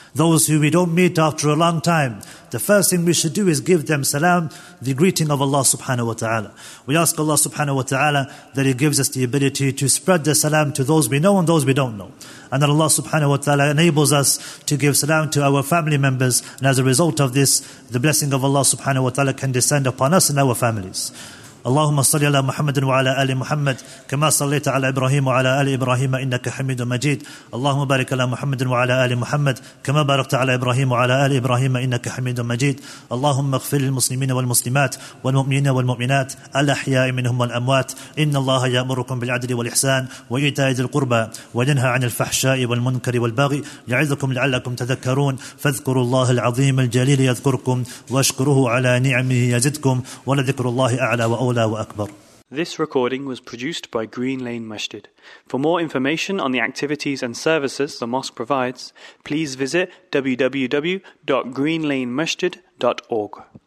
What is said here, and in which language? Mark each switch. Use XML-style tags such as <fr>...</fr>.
<en>Those who we don't meet after a long time, the first thing we should do is give them salam, the greeting of Allah subhanahu wa ta'ala. We ask Allah subhanahu wa ta'ala that He gives us the ability to spread the salam to those we know and those we don't know. And that Allah subhanahu wa ta'ala enables us to give salam to our family members. And as a result of this, the blessing of Allah subhanahu wa ta'ala can descend upon us and our families.</en> <ar>اللهم صل على محمد وعلى آل محمد كما صليت على إبراهيم وعلى آل إبراهيم إنك حميد مجيد اللهم بارك على محمد وعلى آل محمد كما باركت على إبراهيم وعلى آل إبراهيم إنك حميد مجيد اللهم اغفر للمسلمين والمسلمات والمؤمنين والمؤمنات الأحياء منهم والأموات إن الله يأمركم بالعدل والإحسان وإيتاء ذي القربى وينهى عن الفحشاء والمنكر والبغي يعظكم لعلكم تذكرون فاذكروا الله العظيم الجليل يذكركم واشكروه على نعمه يزدكم ولذكر الله أعلى أولى وأكبر.</ar> <en>This recording was produced by Green Lane Masjid. For more information on the activities and services the mosque provides, please visit www.greenlanemasjid.org.</en>